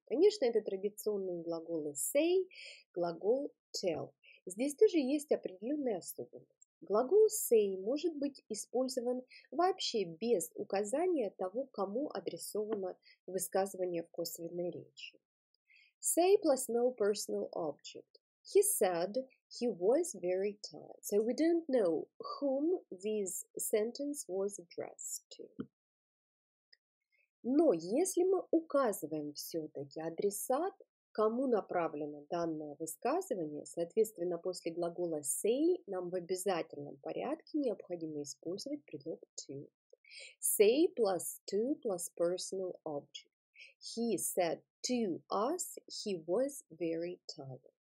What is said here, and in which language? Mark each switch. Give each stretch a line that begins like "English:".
Russian: Конечно, это традиционные глаголы
English: say,
Russian: глагол
English: tell.
Russian: Здесь тоже есть определенные особенности. Глагол
English: say
Russian: может быть использован вообще без указания того, кому адресовано высказывание в косвенной речи.
English: Say plus no personal object. He said he was very tired, so we don't know whom this sentence was addressed to.
Russian: Но если мы указываем все-таки адресат, кому направлено данное высказывание, соответственно, после глагола
English: say
Russian: нам в обязательном порядке необходимо использовать предлог
English: to. Say plus to plus personal object. He said to us he was very tired.